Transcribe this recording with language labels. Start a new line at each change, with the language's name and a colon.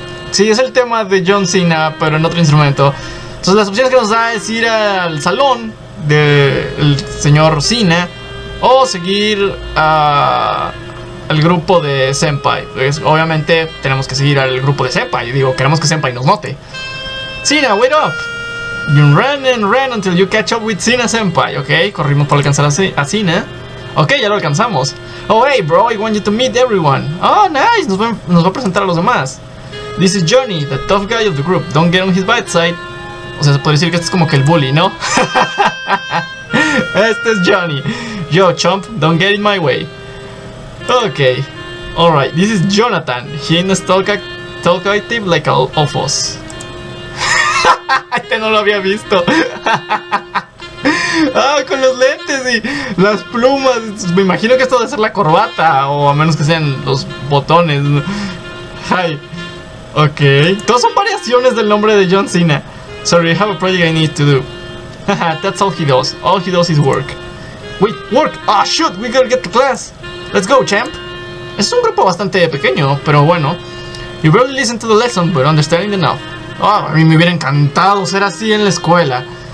Spanish: Sí, es el tema de John Cena, pero en otro instrumento. Entonces, las opciones que nos da es ir al salón del señor Cena o seguir a... el grupo de Senpai. Pues, obviamente tenemos que seguir al grupo de Senpai. Digo, queremos que Senpai nos note.
English: Cena, wait up. You run and run until you catch up with Cena Senpai. Ok,
Spanish: corrimos para alcanzar a Cena.
English: Ok,
Spanish: ya lo alcanzamos.
English: Oh, hey bro, I want you to meet everyone.
Spanish: Oh, nice, nos va a presentar a los demás.
English: This is Johnny, the tough guy of the group. Don't get on his bad side.
Spanish: O sea, se podría decir que este es como que el bully, ¿no? Este es Johnny.
English: Yo, chump, don't get in my way. Ok, alright, this is Jonathan. He is talkative like all of us.
Spanish: Este no lo había visto. Ah, con los lentes y las plumas. Me imagino que esto debe ser la corbata, o a menos que sean los botones. Hi. Ok, todos son variaciones del nombre de John Cena.
English: Sorry, I have a project I need to do. That's all he does. All he does is work. Wait, work? Ah, oh, shoot, we gotta get to class. Let's go, champ.
Spanish: Es un grupo bastante pequeño, pero bueno.
English: You barely listen to the lesson, but understanding enough.
Spanish: Oh, a mí me hubiera encantado ser así en la escuela.